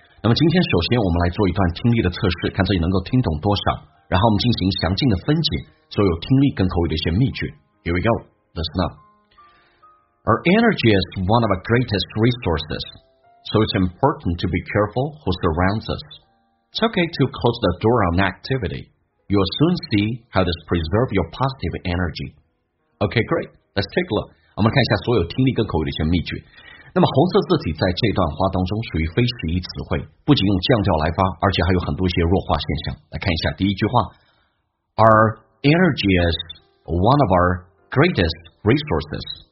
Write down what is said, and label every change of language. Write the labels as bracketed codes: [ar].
[zh] 那么今天首先我们来做一段听力的测试，看自己能够听懂多少，然后我们进行详尽的分解所有听力跟口语的一些秘诀。 [en] Here we go, listen up. Our energy is one of our greatest resources, so it's important to be careful who surrounds us. It's okay to close the door on activity. You'll soon see how this preserves your positive energy. Okay, great. Let's take a look. [zh] 我们看一下所有听力跟口语的一些秘诀。那么红色字体在这段话当中属于非实义词汇，不仅用降调来发，而且还有很多一些弱化现象。来看一下第一句话 [en] ，Our energy is one of our greatest resources.